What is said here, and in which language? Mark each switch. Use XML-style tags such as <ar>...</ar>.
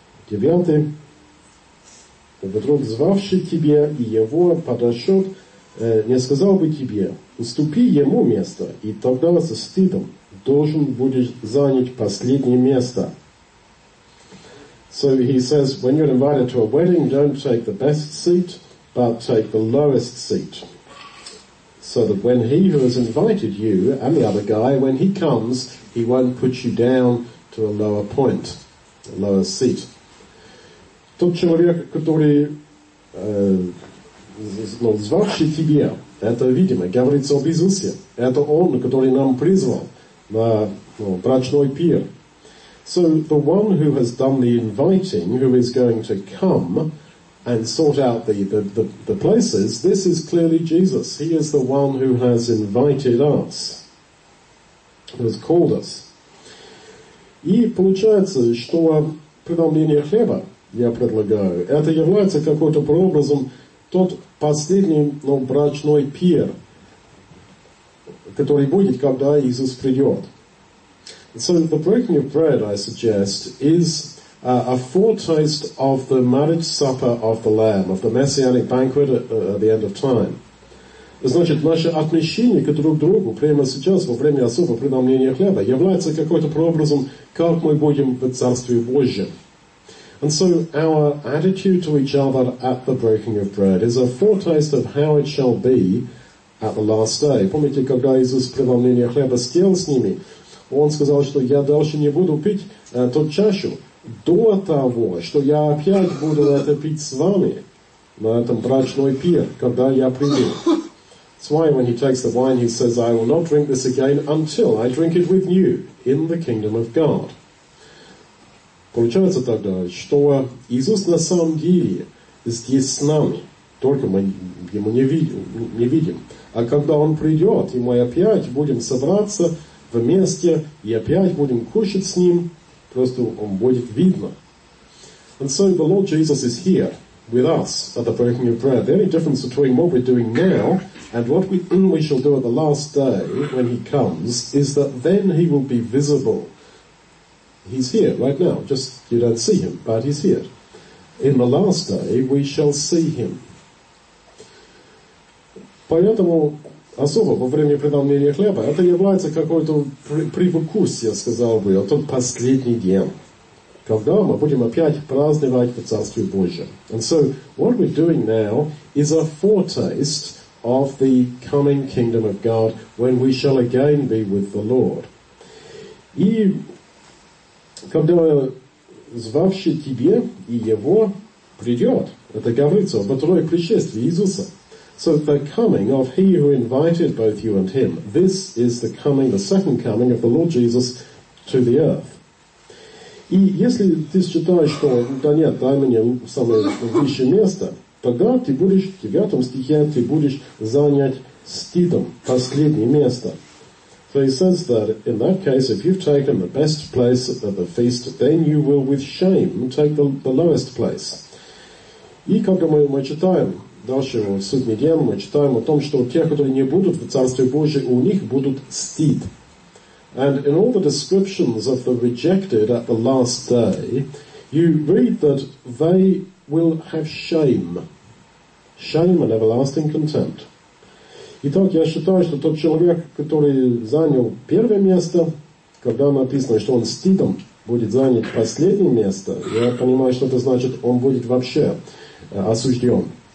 <ru>9. Вдруг звавший тебе и его подошел, не сказал бы тебе, уступи ему место, и тогда со стыдом должен будешь занять последнее место.</ru> <en>So he says, when you're invited to a wedding, don't take the best seat, but take the lowest seat. So that when he who has invited you, and the other guy, when he comes, he won't put you down to a lower point, a lower seat.</en> <ru>Тот человек, который звавший тебя, Это видимо. Говорится об Иисусе. Это Он, который нам призвал на брачный пир.</ru> <en>So the one who has done the inviting, who is going to come and sort out the places, this is clearly Jesus. He is the one who has invited us, who has called us.</en> <ru>И получается, что преломление хлеба, я предлагаю, это является какой-то прообразом тот последний, брачный пир, который будет, когда Иисус придет.</ru> <en>So the breaking of bread, I suggest, is a foretaste of the marriage supper of the Lamb, of the messianic banquet at the end of time.</en> <ru>Значит, наше отношение к друг другу прямо сейчас, во время особого преломления хлеба, является какой-то прообразом, как мы будем в Царстве Божьем.</ru> <en>And so our attitude to each other at the breaking of bread is a foretaste of how it shall be at the last day.</en> <ru>Помните, когда Иисус преломление хлеба съел с ними, Он сказал, что я дальше не буду пить ту чашу до того, что я опять буду это пить с вами на этом брачный пир, когда я приду.</ru> <en>That's why when he takes the wine, he says, I will not drink this again until I drink it with you in the kingdom of God.</en> <ru>Получается тогда, что Иисус на самом деле здесь с нами, только мы Ему не видим. А когда Он придет, и мы опять будем собраться вместе, и опять будем кушать с Ним, просто Он будет видно.</ru> <en>And so the Lord Jesus is here with us at the breaking of bread. The only difference between what we're doing now and what we shall do at the last day when He comes is that then He will be visible. He's here right now, just you don't see Him, but He's here. In the last day, we shall see Him.</en> <ru>Поэтому, особо во время преломления хлеба, это является какой-то привкус, я сказал бы, тот последний день, когда мы будем опять праздновать в Царстве Божьем.</ru> <en>And so, what we're doing now is a foretaste of the coming kingdom of God when we shall again be with the Lord.</en> <ru>И когда звавший тебе и его придет, это говорится об второй пришествии Иисуса.</ru> <en>So the coming of he who invited both you and him, this is the coming, the second coming of the Lord Jesus to the earth.</en> <ru>И если ты считаешь, что да нет, дай мне самое высшее место, тогда ты будешь, в 9 стихе, ты будешь занять стидом последнее место.</ru> <en>So he says that, in that case, if you've taken the best place at the feast, then you will with shame take the lowest place.</en> <ru>И когда мы читаем дальше в Судный день, мы читаем о том, что те, которые не будут в Царстве Божьем, у них будут стыд.</ru> <en>And in all the descriptions of the rejected at the last day, you read that they will have shame. Shame and everlasting contempt.</en> <ru>Итак, я считаю, что тот человек, который занял первое место, когда написано, что он стыдом будет занять последнее место, я понимаю, что это значит, он будет вообще осужден.</ru>